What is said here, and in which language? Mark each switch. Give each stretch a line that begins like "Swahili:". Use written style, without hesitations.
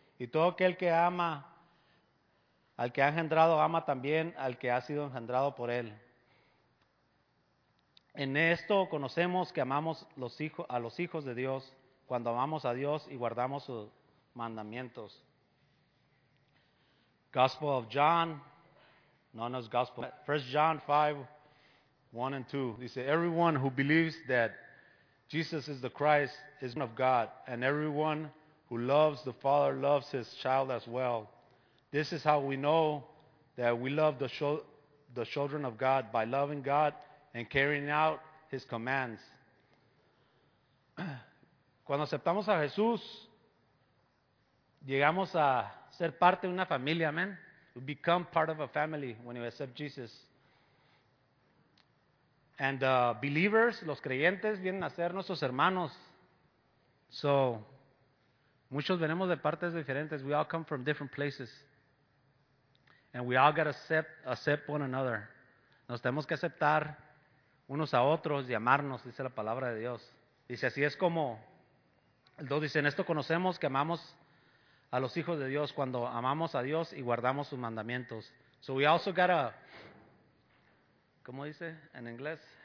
Spanish: Y todo aquel que ama al que ha engendrado, ama también al que ha sido engendrado por él. En esto conocemos que amamos a los hijos de Dios, cuando amamos a Dios y guardamos sus mandamientos.
English: Gospel of John,
Spanish: no es
English: Gospel. 1 John 5:1-2, dice, everyone who believes that Jesus is the Christ is of God, and everyone who loves the Father loves his child as well. This is how we know that we love the children of God, by loving God and carrying out his commands.
Spanish: Cuando aceptamos a Jesús, llegamos a ser parte de una familia, amen.
English: We become part of a family when you accept Jesus. And believers,
Spanish: los creyentes, vienen a ser nuestros hermanos. So, muchos venimos de partes diferentes.
English: We all come from different places. And we all got to accept one another.
Spanish: Nos tenemos que aceptar unos a otros y amarnos, dice la palabra de Dios. Dice, así es como el 2 dice, en esto conocemos que amamos a los hijos de Dios cuando amamos a Dios y guardamos sus mandamientos.
English: So we also got to,
Spanish: ¿cómo dice en inglés?